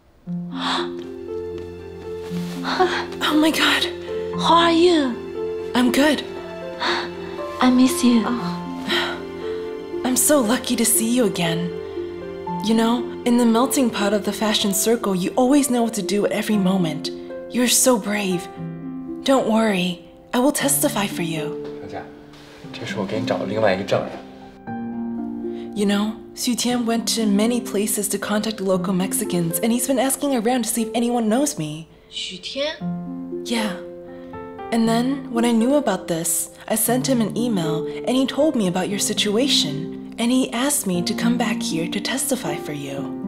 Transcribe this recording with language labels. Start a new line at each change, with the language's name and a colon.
English: Oh my god, how are you? I'm good. I miss you. I'm so lucky to see you again. You know, in the melting pot of the fashion circle, you always know what to do at every moment. You're so brave. Don't worry, I will testify for you.
Chinese: 盛夏，这是我给你找的另外一个证人。
English: You know, 徐天 went to many places to contact local Mexicans, and he's been asking around to see if anyone knows me.
Chinese: 徐天
English: Yeah. And then, when I knew about this, I sent him an email, and he told me about your situation, and he asked me to come back here to testify for you.